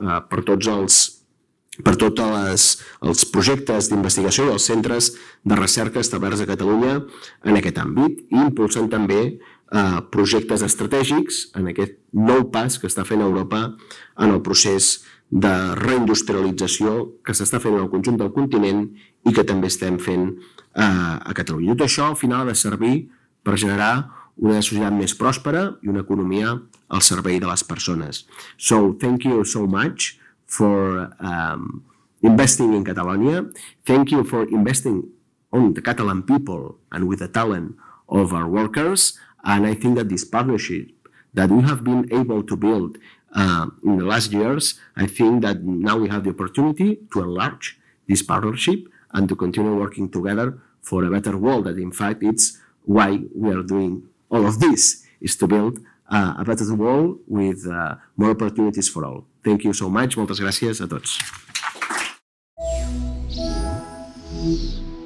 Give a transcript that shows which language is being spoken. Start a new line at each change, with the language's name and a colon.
Catalan: per tots els projectes d'investigació i els centres de recerca establerts a Catalunya en aquest àmbit, i impulsant també projectes estratègics en aquest nou pas que està fent Europa en el procés de reindustrialització que s'està fent en el conjunt del continent i que també estem fent a Catalunya. Tot això, al final, ha de servir per generar una societat més pròspera i una economia al servei de les persones.
English: So, thank you so much for investing in Catalonia. Thank you for investing on the Catalan people and with the talent of our workers. And I think that this partnership that we have been able to build in the last years, I think that now we have the opportunity to enlarge this partnership and to continue working together for a better world. That in fact, it's why we are doing all of this, is to build a better world with more opportunities for all. Thank you so much.
Catalan: Moltes gràcies a tots.